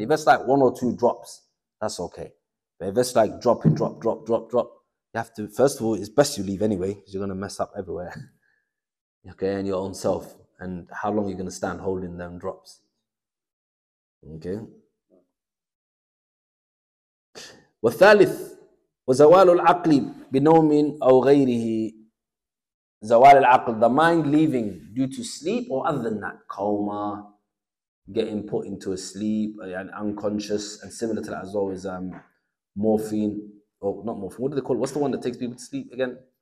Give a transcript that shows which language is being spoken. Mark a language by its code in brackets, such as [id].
[en] If it's like one or two drops, that's okay. But if it's like dropping, drop, you have to, first of all, it's best you leave anyway, because you're going to mess up everywhere. Okay, and your own self. And how long are you going to stand holding them drops? Okay. [ar] والثالث وزوال العقل بنوم أو غيره. [en] Zawal al-aql, the mind leaving due to sleep or other than that, coma, getting put into a sleep, and unconscious, and similar to that as well is morphine, what do they call it? What's the one that takes people to sleep again?